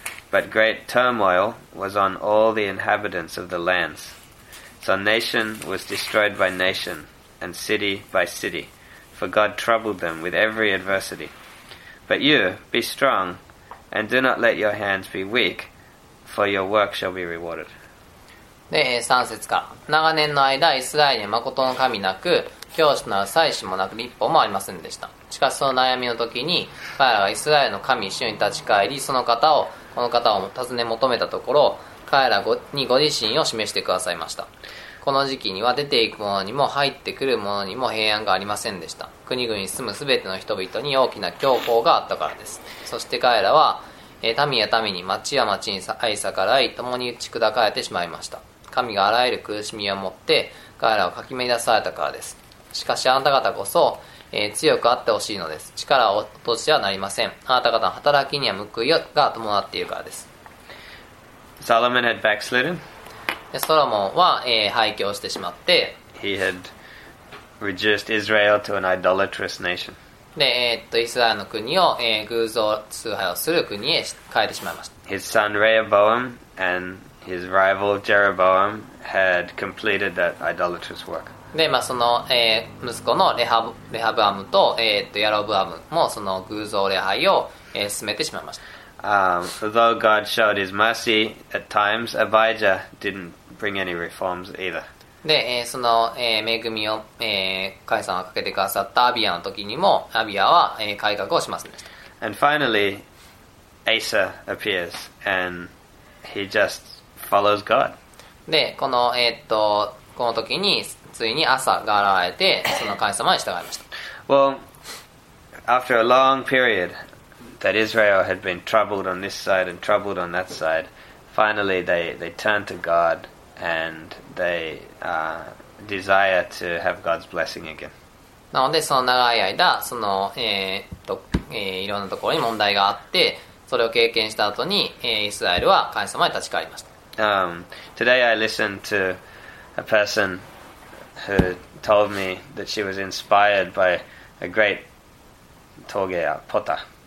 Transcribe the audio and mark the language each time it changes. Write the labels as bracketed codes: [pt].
[en] But great turmoil was on all the inhabitants of the lands. So nation was destroyed by nation and city by city, for God troubled them with every adversity. But you, be strong, and do not let your hands be weak, for your work shall be rewarded. [ja] で、3節か。長年の間、イスラエルには誠の神なく、教師のある祭司もなく、立法もありませんでした。しかしその悩みの時に、彼らはイスラエルの神、主に立ち返り、その方を、この方を尋ね求めたところ、彼らにご自身を示してくださいました。この時期には出ていく者にも入ってくる者にも平安がありませんでした。国々に住むすべての人々に大きな恐慌があったからです。そして彼らは、民や民に町や町に愛逆らい、共に打ち砕かれてしまいました。神があらゆる苦しみをもって彼らをかき乱されたからです。しかしあなた方こそ、強くあってほしいのです。力を落としてはなりません。あなた方の働きには報いが伴っているからです。 [en] Solomon had backslidden. [ja] ソロモンは、廃墟をしてしまって [en] He had reduced Israel to an idolatrous nation. [ja] で、イスラエルの国を、偶像崇拝をする国へ変えてしまいました。 [en] His son Rehoboam and his rival Jeroboam had completed that idolatrous work. [ja] で、まあ、その、息子のレハブアムと、ヤロブアムもその偶像礼拝を、進めてしまいました。 [en] Though God showed his mercy at times, Abijah didn't bring any reforms either. [ja] で、その、恵みを、神様がかけてくださったアビアの時にも、アビアは、改革をしませんでした。 [en] And finally, Asa appears, and he just follows God. [ja] で、この、この時に、ついにアサが現れて、その神様に従いました。 [en] Well, after a long period,that Israel had been troubled on this side and troubled on that side, finally they turn to God and they desire to have God's blessing again. [ja] なのでその長い間その、いろんなところに問題があってそれを経験した後に、イスラエルは神様に立ち返りました。 [en] Today I listened to a person who told me that she was inspired by a great [ja] 峠やポタ。